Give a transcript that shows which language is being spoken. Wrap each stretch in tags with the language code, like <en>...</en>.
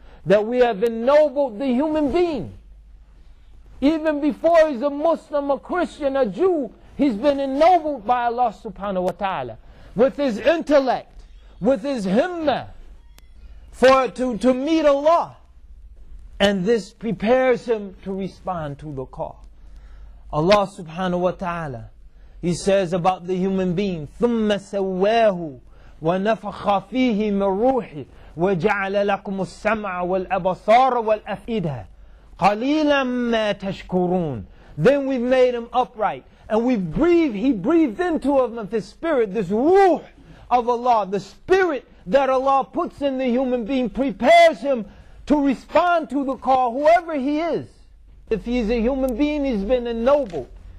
<en>That we have ennobled the human being. Even before he's a Muslim, a Christian, a Jew, he's been ennobled by Allah subhanahu wa ta'ala. With his intellect, with his himmah, to meet Allah. And this prepares him to respond to the call. Allah subhanahu wa ta'ala, he says about the human being,</en> <ar>ثُمَّ سَوَّاهُ وَنَفَخَ فِيهِ مِنْ رُوحِهِ وَجَعَلَ لَكُمُ السَّمْعَ وَالْأَبَصَارَ وَالْأَفْئِدَةَ قَلِيلًا مَا تَشْكُرُونَ.</ar> <en>Then we've made him upright. And he breathed into him of his spirit, this ruh of Allah. The spirit that Allah puts in the human being prepares him to respond to the call, whoever he is. If he's a human being, he's been ennobled.</en>